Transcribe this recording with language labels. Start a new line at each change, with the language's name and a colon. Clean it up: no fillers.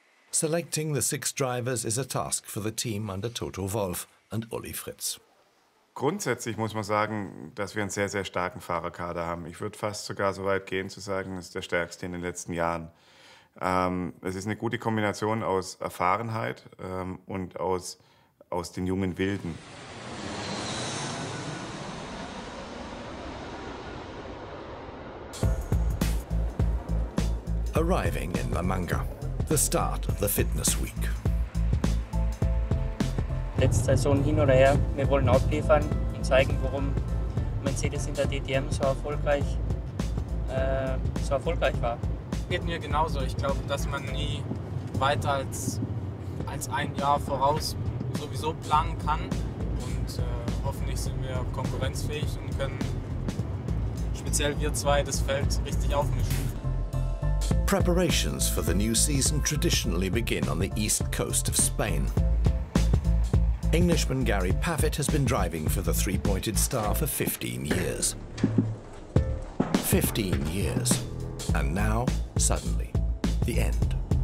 English: Selecting the six drivers is a task for the team under Toto Wolff and Uli Fritz.
German: Grundsätzlich muss man sagen, dass wir einen sehr, sehr starken Fahrerkader haben. Ich würde fast sogar so weit gehen zu sagen, es ist der stärkste in den letzten Jahren. Es ist eine gute Kombination aus Erfahrenheit und aus den jungen Wilden.
English: Arriving in La Manga, the start of the fitness week.
German: Letzte Saison hin oder her, wir wollen abliefern und zeigen, warum Mercedes in der DTM so erfolgreich war. Geht mir genauso. Ich glaube, dass man nie weiter als ein Jahr voraus sowieso planen kann. Und hoffentlich sind wir konkurrenzfähig und können speziell wir zwei das Feld richtig aufmischen.
English: Preparations for the new season traditionally begin on the east coast of Spain. Englishman Gary Paffett has been driving for the three-pointed star for 15 years. 15 years. And now, suddenly, the end.